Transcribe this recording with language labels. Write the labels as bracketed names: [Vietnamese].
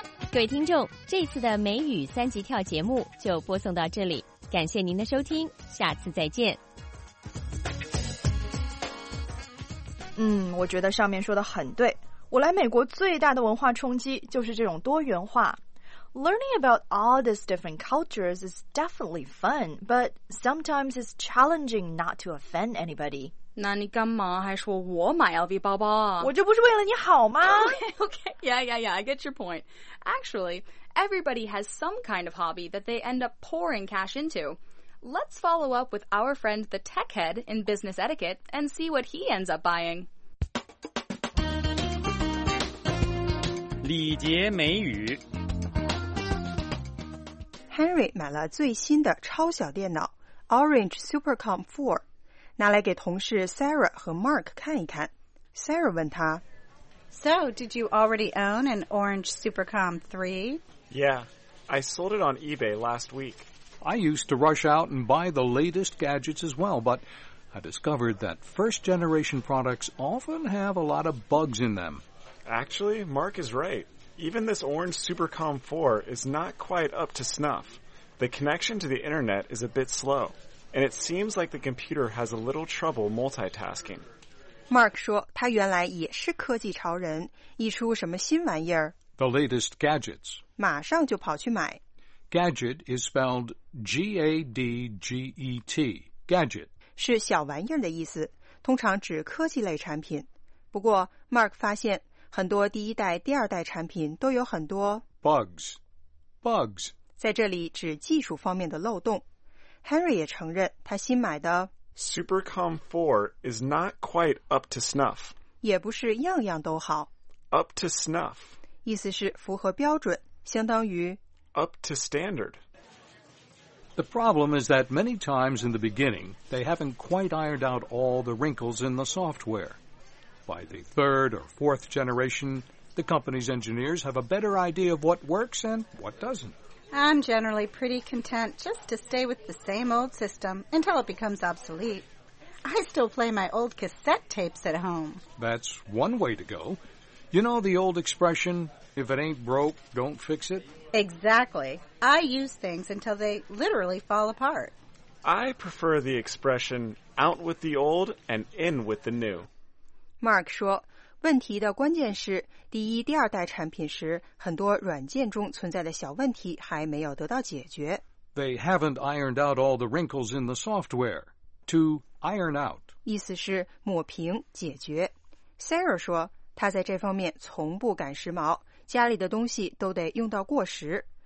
[Chinese] 各位听众，这次的美语三级跳节目就播送到这里，感谢您的收听，下次再见。我觉得上面说的很对。我来美国最大的文化冲击就是这种多元化。 [English] Learning about all these different cultures is definitely fun, but sometimes it's challenging not to offend anybody. [Chinese] 那你干嘛还说我买 LV 包包啊？我这不是为了你好吗 [English] ？Okay, yeah, I get your point. Actually, everybody has some kind of hobby that they end up pouring cash into. Let's follow up with our friend the tech head in business etiquette and see what he ends up buying. [Chinese] 礼节美语 Henry 买了最新的超小电脑 Orange Supercom 4拿来给同事 Sarah 和 Mark 看一看 Sarah 问他 [English] So, did you already own an Orange Supercom 3? Yeah, I sold it on eBay last week. I used to rush out and buy the latest gadgets as well, but I discovered that first generation products often have a lot of bugs in them. Actually, Mark is right. Even this Orange Supercom 4 is not quite up to snuff. The connection to the internet is a bit slow, and it seems like the computer has a little trouble multitasking. [Chinese] Mark 说他原来也是科技潮人，一出什么新玩意儿 [English] The latest gadgets. [Chinese] 马上就跑去买 [English] Gadget is spelled G-A-D-G-E-T. Gadget. [Chinese] 是小玩意儿的意思，通常指科技类产品。不过 Mark 发现很多第一代、第二代产品都有很多 [English] bugs [Chinese] 在这里指技术方面的漏洞。 Henry 也承认他新买的 [English] Supercom 4 is not quite up to snuff [Chinese] 也不是样样都好 [English] up to snuff [Chinese] 意思是符合标准，相当于 [English] up to standard。 The problem is that many times in the beginning they haven't quite ironed out all the wrinkles in the softwareBy the third or fourth generation, the company's engineers have a better idea of what works and what doesn't. I'm generally pretty content just to stay with the same old system until it becomes obsolete. I still play my old cassette tapes at home. That's one way to go. You know the old expression, if it ain't broke, don't fix it? Exactly. I use things until they literally fall apart. I prefer the expression, out with the old and in with the new. [Chinese] Mark 说问题的关键是第一第二代产品时很多软件中存在的小问题还没有得到解决。 [English] They haven't ironed out all the wrinkles in the software. To iron out. [Chinese] 意思是抹平解决。 Sarah 说他在这方面从不赶时髦，家里的东西都得用到过时。